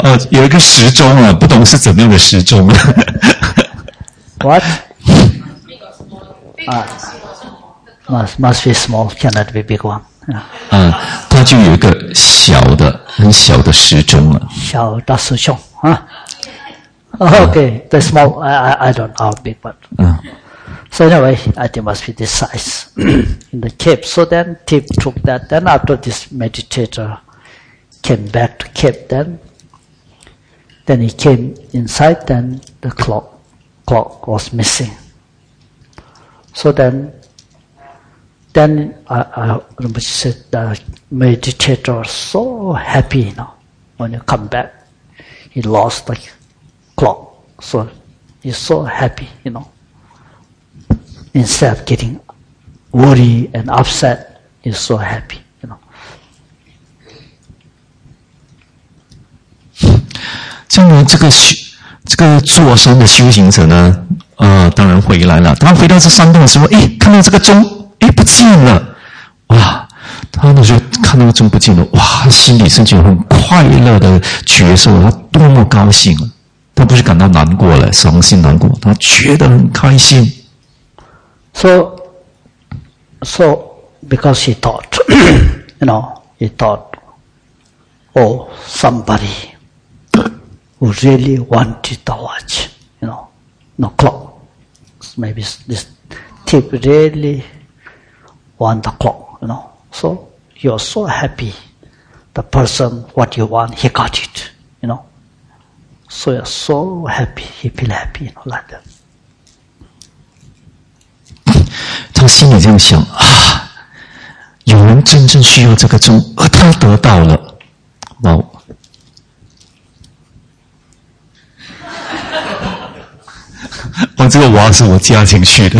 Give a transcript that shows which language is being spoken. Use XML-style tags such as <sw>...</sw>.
<zh>有一个时钟啊，不懂是怎么样的时钟。</zh> <en>What? Must be small, cannot be big one.</en> <zh>他就有一个小的、很小的时钟了。小大师兄啊。</zh> <en>Okay, the small, I don't know how big, but. So anyway, I think must be this size in the cave. So then, Tip took that. Then after this meditator came back to cave, then he came inside, then the clock was missing. So then I remember she said the meditator was so happy, you know, when you come back, he lost the clock. So he's so happy, you know. Instead of getting worried and upset, he's so happy, you know.</en> <zh>像呢，这个坐山的修行者呢，当然回来了。他回到这山洞的时候，哎，看到这个钟，哎，不见了，哇！他呢就看到钟不见了，哇，心里甚至很快乐的觉受，他多么高兴啊！他不是感到难过了，伤心难过，他觉得很开心。</zh> <en>So because he thought, you know, he thought, oh, somebody who really wanted the watch, you know, no clock. Maybe this thief really want the clock, you know. So he was so happy, the person, what you want, he got it, you know. So he was so happy, he feel happy, you know, like that.</en> <zh>他心里这样想啊，有人真正需要这个钟，而他得到了，哇！我这个娃是我加进去的。</zh>